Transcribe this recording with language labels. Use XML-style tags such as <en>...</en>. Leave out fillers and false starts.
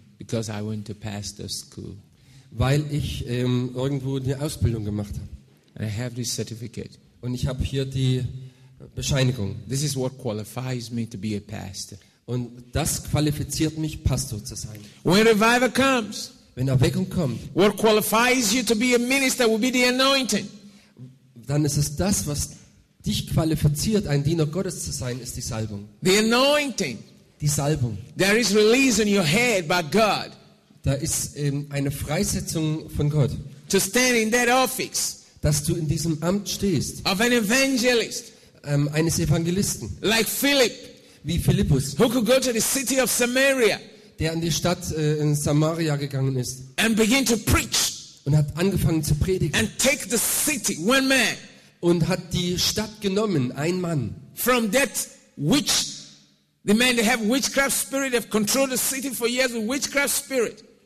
<en>Because I went to pastor school.</en> <de>Weil ich irgendwo eine Ausbildung gemacht habe.</de> <en>And I have this certificate.</en> <de>Und ich habe hier die Bescheinigung.</de> <en>This is what qualifies me to be a pastor.</en> <de>Und das qualifiziert mich, Pastor zu sein.</de> <en>When revival comes.</en> <de>Wenn Erweckung kommt.</de> <en>What qualifies you to be a minister will be the anointing.</en> <de>Dann ist es das, was dich qualifiziert, ein Diener Gottes zu sein, ist die Salbung.</de> <en>The anointing.</en> <de>Die Salbung.</de> <en>There is release in your head by God.</en> <de>Da ist eine Freisetzung von Gott.</de> <en>To stand in that office.</en> <de>Dass du in diesem Amt stehst.</de> <en>Of an evangelist.</en> <de>Eines Evangelisten.</de> <en>Like Philip.</en> <de>Wie Philippus.</de> <en>Who could go to the city of Samaria.</en> <de>Der in die Stadt in Samaria gegangen ist.</de> <en>And begin to preach.</en> <de>Und hat angefangen zu predigen.</de> <en>And take the city, one man.</en> <de>Und hat die Stadt genommen, ein Mann.</de> <en>From that witch, the man they have witchcraft spirit, they have controlled the city for years with witchcraft spirit.</en>